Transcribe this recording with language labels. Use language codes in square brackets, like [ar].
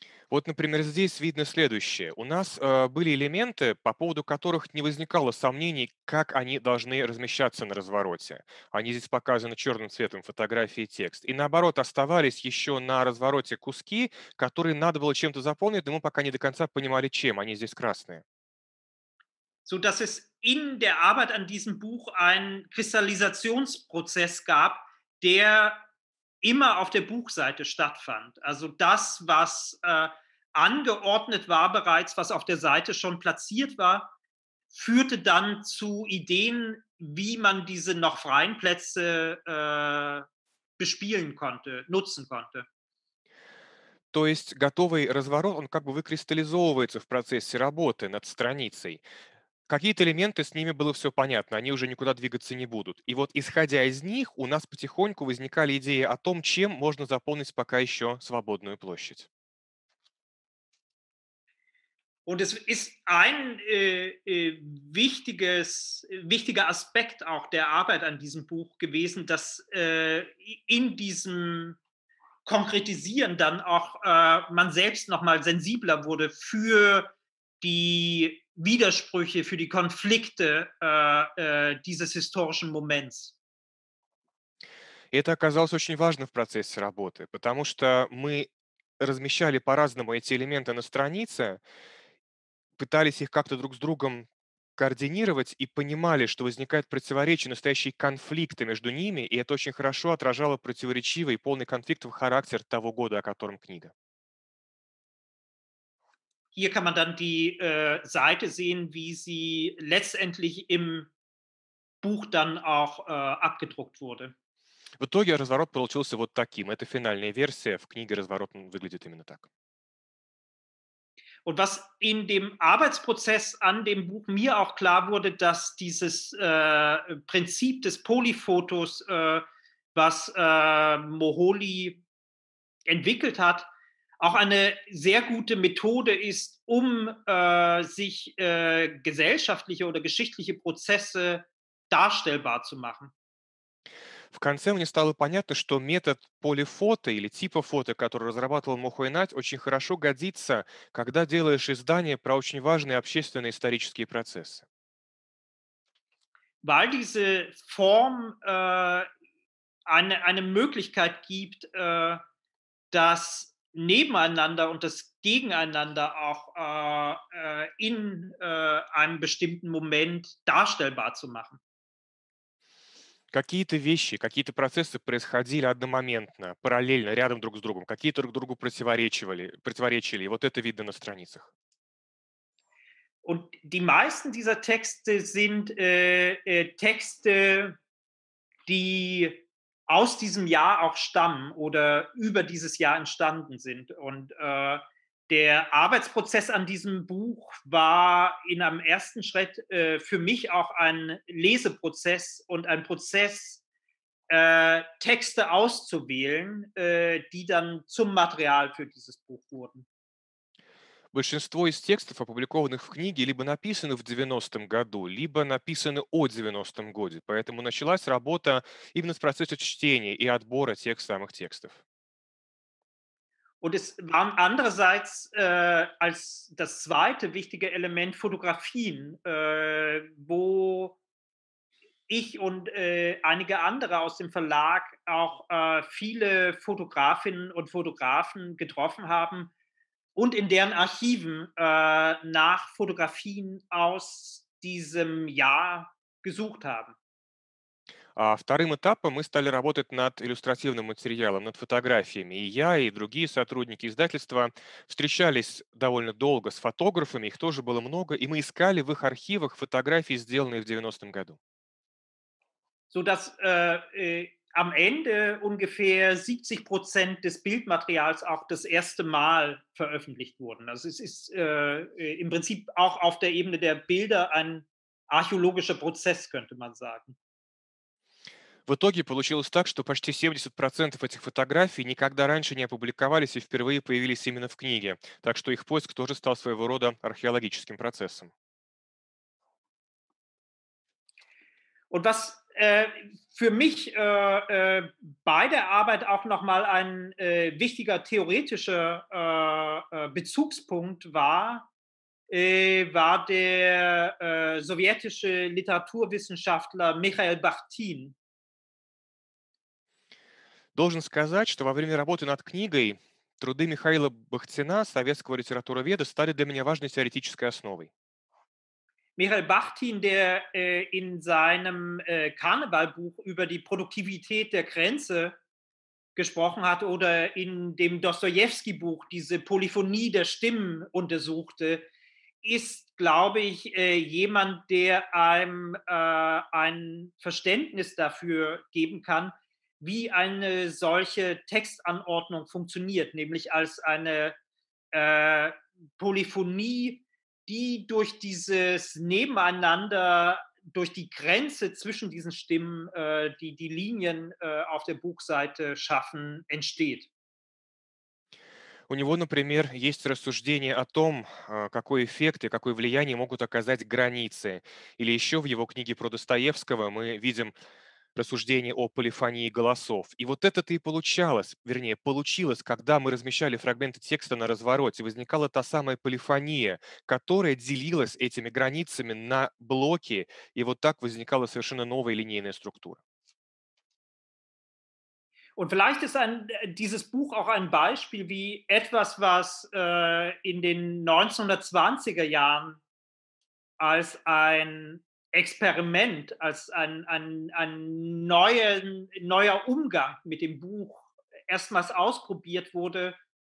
[ru] Вот, например, здесь видно следующее. У нас были элементы, по поводу которых не возникало сомнений, как они должны размещаться на развороте. Они здесь показаны черным цветом, фотографии и текст. И наоборот, оставались еще на развороте куски, которые надо было чем-то заполнить, но мы пока не до конца понимали, чем. Они здесь красные. [de] So dass es in der Arbeit an diesem Buch ein Kristallisationsprozess gab, der immer auf der Buchseite stattfand. Also das, was angeordnet war bereits, was auf der Seite schon platziert war, führte dann zu Ideen, wie man diese noch freien Plätze bespielen konnte, nutzen konnte. [ru] То есть готовый разворот, он как бы выкристаллизовывается в процессе работы над страницей. Какие-то элементы, с ними было все понятно, они уже никуда двигаться не будут. И вот, исходя из них, у нас потихоньку возникали идеи о том, чем можно заполнить пока еще свободную площадь. [de] Und es ist ein wichtiger Aspekt auch der Arbeit an diesem Buch gewesen, dass in diesem Konkretisieren dann auch man selbst nochmal sensibler wurde für die Widersprüche, für die Konflikte dieses historischen Moments. [ru] Это оказалось очень важно в процессе работы, потому что мы размещали по-разному эти элементы на странице, пытались их как-то друг с другом координировать и понимали, что возникают противоречия, настоящие конфликты между ними, и это очень хорошо отражало противоречивый и полный конфликтовый характер того года, о котором книга. [de] Hier kann man dann die Seite sehen, wie sie letztendlich im Buch dann auch abgedruckt wurde. [ru] В итоге разворот получился вот таким. Это финальная версия. В книге разворот выглядит именно так. [de] Und was in dem Arbeitsprozess an dem Buch mir auch klar wurde, dass dieses Prinzip des Polyfotos, was Moholy entwickelt hat, auch eine sehr gute Methode ist, um sich gesellschaftliche oder geschichtliche Prozesse darstellbar zu machen. [ru] В конце мне стало понятно, что метод полифото или типа фото, который разрабатывал Мохуэнать, очень хорошо годится, когда делаешь издание про очень важные общественные исторические процессы. [de] Weil diese Form eine Möglichkeit gibt, das Nebeneinander und das Gegeneinander auch in einem bestimmten Moment darstellbar zu machen. [ru] Какие-то вещи, какие-то процессы происходили одномоментно, параллельно, рядом друг с другом. Какие-то друг другу противоречили. И вот это видно на страницах. [de] Und die meisten dieser Texte sind Texte, die aus diesem Jahr auch stammen oder über dieses Jahr entstanden sind. Und der Arbeitsprozess an diesem Buch war in einem ersten Schritt für mich auch ein Leseprozess und ein Prozess, Texte auszuwählen, die dann zum Material für dieses Buch wurden. [ru] Большинство из текстов, опубликованных в книге, либо написаны в 90-м году, либо написаны о 90-м годе. Поэтому началась работа именно с процесса чтения и отбора тех самых текстов. [de] Und es waren andererseits als das zweite wichtige Element Fotografien, wo ich und einige andere aus dem Verlag auch viele Fotografinnen und Fotografen getroffen haben und in deren Archiven nach Fotografien aus diesem Jahr gesucht haben. [ru] А вторым этапом мы стали работать над иллюстративным материалом, над фотографиями. И я, и другие сотрудники издательства встречались довольно долго с фотографами, их тоже было много, и мы искали в их архивах фотографии, сделанные в 90-м году. [de] So dass am Ende ungefähr 70% des Bildmaterials auch das erste Mal veröffentlicht wurden. Also es ist im Prinzip auch auf der Ebene der Bilder ein archäologischer Prozess, könnte man sagen. [ru] В итоге получилось так, что почти 70% этих фотографий никогда раньше не опубликовались и впервые появились именно в книге. Так что их поиск тоже стал своего рода археологическим процессом. [de] Und was für mich bei der Arbeit auch nochmal ein wichtiger theoretischer Bezugspunkt war, war der sowjetische Literaturwissenschaftler Michael Bakhtin. [ru] Должен сказать, что во время работы над книгой труды Михаила Бахтина, советского литературоведа, стали для меня важной теоретической основой. [de] Михаил Бахтин, der in seinem Karnevalbuch über die Produktivität der Grenze gesprochen hat oder in dem Dostojewski-Buch diese Polyphonie der Stimmen untersuchte, ist, glaube ich, jemand, der einem ein Verständnis dafür geben kann, wie eine solche Textanordnung funktioniert, nämlich als eine Polyphonie, die durch dieses Nebeneinander, durch die Grenze zwischen diesen Stimmen, die Linien auf der Buchseite schaffen, entsteht. [ru] У него, например, есть рассуждение о том, какой эффект и какое влияние могут оказать границы. Или еще в его книге про Достоевского мы видим рассуждение о полифонии голосов. И вот это-то и получалось, вернее, получилось, когда мы размещали фрагменты текста на развороте, возникала та самая полифония, которая делилась этими границами на блоки, и вот так возникала совершенно новая линейная структура. [de] Und vielleicht ist ein, dieses Buch auch ein Beispiel, wie etwas, was in den 1920er Jahren als ein Experiment, als ein neuer Umgang mit dem Buch erstmals ausprobiert wurde,